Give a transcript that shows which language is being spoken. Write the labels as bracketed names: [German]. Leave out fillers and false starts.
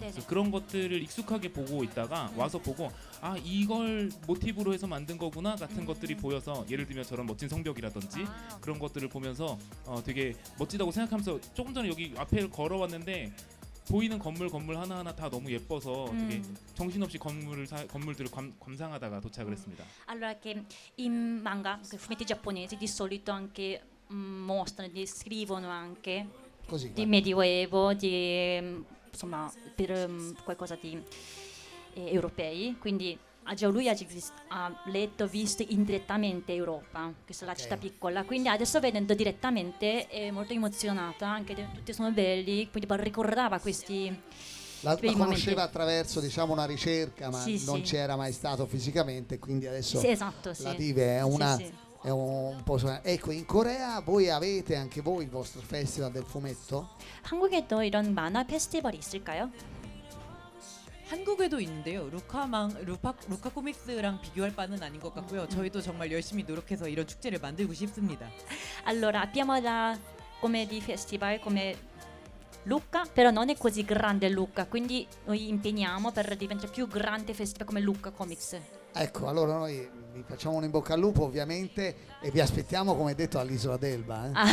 [Korean] 그래서 그런 것들을 익숙하게 보고 있다가 와서 보고 아 이걸 모티브로 해서 만든 거구나 같은 것들이 보여서 예를 들면 저런 멋진 성벽이라든지 그런 것들을 보면서 되게 멋지다고 생각하면서 조금 전에 여기 앞에 걸어왔는데 보이는 건물 하나하나 다 너무 예뻐서 되게 정신없이 건물들을 감상하다가 도착을 했습니다. [Italian] Allora che in manga, i fumetti giapponesi di solito anche mostrano, descrivono anche così, di medioevo, di insomma per qualcosa di europei, quindi lui ha letto, visto indirettamente Europa, che è la città piccola, quindi adesso vedendo direttamente è molto emozionata, anche tutti sono belli, quindi ricordava questi la conosceva momenti. Attraverso diciamo una ricerca, ma non c'era mai stato fisicamente, quindi adesso la vive, è una è un po' ecco, in Corea voi avete anche voi il vostro festival del fumetto? [Korean] 한국에도 이런 만화 페스티벌 있을까요? 한국에도 있는데요. 루카 코믹스랑 비교할 바는 아닌 것 같고요. 저희도 정말 열심히 노력해서 이런 축제를 만들고 싶습니다. [Italian] Allora abbiamo la comedy festival come Lucca, però non è così grande Lucca, quindi noi impegniamo per diventare più grande festival come Lucca Comics. Ecco, allora noi vi facciamo un in bocca al lupo ovviamente e vi aspettiamo come detto all'Isola d'Elba.